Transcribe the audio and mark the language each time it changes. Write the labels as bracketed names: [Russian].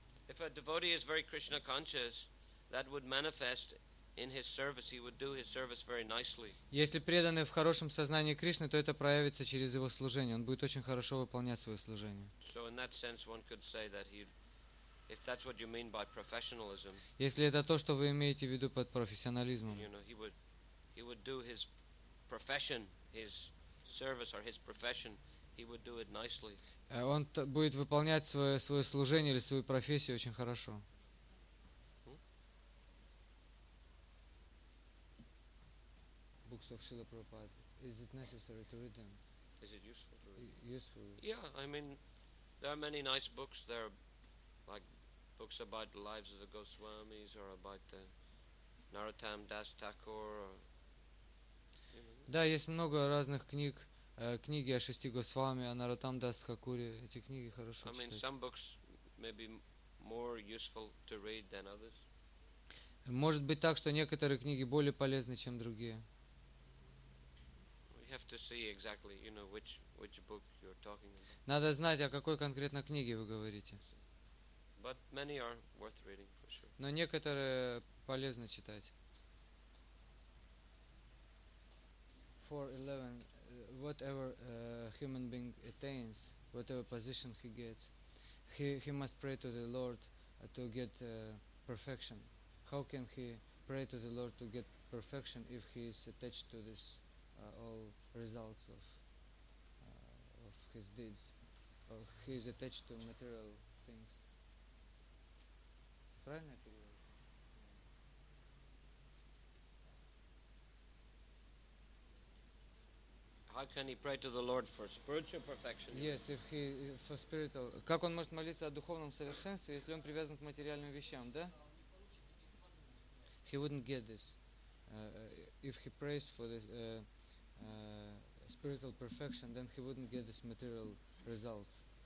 [English] If a devotee is very Krishna conscious, that would manifest in his service. He would do his service very nicely. [Russian] Если преданный в хорошем сознании Кришны, то это проявится через его служение. Он будет очень хорошо выполнять свое служение. [English] So in that sense, one could say that he, if that's what you mean by professionalism. [Russian] Если это то, что вы имеете в виду под профессионализмом. [English] You know, he would do his profession, his service or his profession. He would do it nicely. [Russian] Он будет выполнять свое служение или свою профессию очень хорошо. [English] Books of Srila Prabhupada. Is it necessary to read them? Is it useful to read? Useful. Yeah, I mean, there are many nice books. There are like books about the lives of the Goswamis or about the Narottam Das Thakur. [Russian] Да, есть много разных книг. книги о шести госвами, а Наратам Дас Такури, эти книги хорошо читать. [English] I mean, some books may be more useful to read than others. [Russian] Может быть так, что некоторые книги более полезны, чем другие. [English] We have to see exactly, you know, which book you're talking about. [Russian] Надо знать, о какой конкретно книге вы говорите. [English] But many are worth reading, for sure. [Russian] Но некоторые полезно читать. [English] 4.11. Whatever human being attains, whatever position he gets, he must pray to the Lord to get perfection. How can he pray to the Lord to get perfection if he is attached to this all results of his deeds, or he is attached to material things? [Russian] Правильно? [English] How can he pray to the Lord for spiritual perfection? Yes, if he for spiritual. [Russian] Как он может молиться о духовном совершенстве, если он привязан к материальным вещам, да? [English] He wouldn't get this if he prays for the spiritual perfection, then he wouldn't get this material results.